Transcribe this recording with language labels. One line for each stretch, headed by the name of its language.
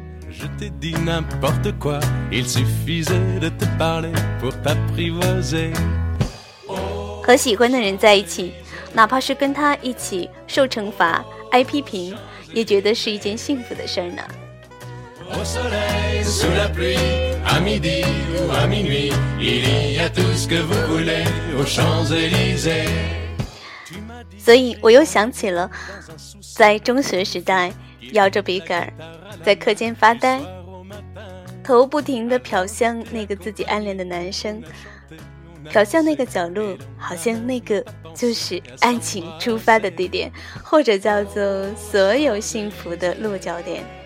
French: Je t'ai dit n'importe quoi, il suffisait de te parler pour t'apprivoiser.
Chinese: 和喜欢的人在一起，哪怕是跟他一起受惩罚、挨批评，也觉得是一件幸福的事呢。
French: Au soleil, sous la pluie, à midi ou à minuit, il y a tout ce que vous voulez aux Champs-Élysées.
Chinese: 所以我又想起了在中学时代咬着笔杆在课间发呆，头不停地瞟向那个自己暗恋的男生，瞟向那个角落，好像那个就是爱情出发的地点，或者叫做所有幸福的落脚点。